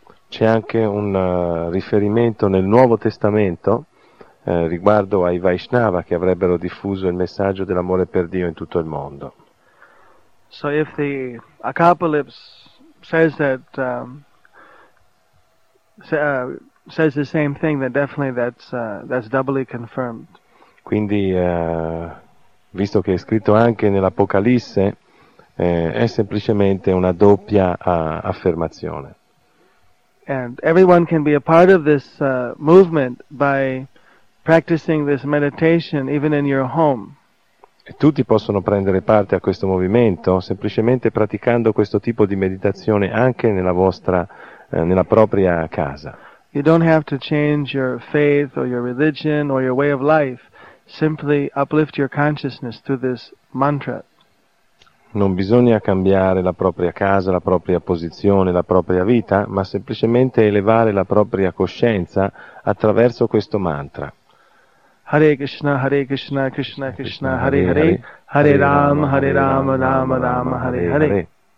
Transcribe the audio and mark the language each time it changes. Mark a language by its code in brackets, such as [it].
[it] C'è anche un riferimento nel Nuovo Testamento riguardo ai Vaishnava che avrebbero diffuso il messaggio dell'amore per Dio in tutto il mondo. [en] So if the Apocalypse says that says the same thing, then definitely that's doubly confirmed. [it] Quindi visto che è scritto anche nell'Apocalisse è semplicemente una doppia affermazione. [en] And everyone can be a part of this movement by practicing this meditation even in your home. [it] E tutti possono prendere parte a questo movimento semplicemente praticando questo tipo di meditazione anche nella vostra nella propria casa. [en] You don't have to change your faith or your religion or your way of life. Simply uplift your consciousness through this mantra. [it] Non bisogna cambiare la propria casa, la propria posizione, la propria vita, ma semplicemente elevare la propria coscienza attraverso questo mantra. [sa] Hare Krishna, Krishna Krishna, Hare Hare, Hare Rama, Hare Rama, Rama Rama, Hare Hare.